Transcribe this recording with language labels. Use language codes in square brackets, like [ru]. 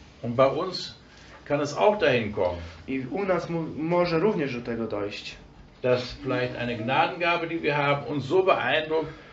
[de] Und bei uns kann es auch dahin kommen. [pl] I u nas może również do tego dojść. [de] Dass vielleicht eine Gnadengabe, die wir haben, uns so beeindruckt,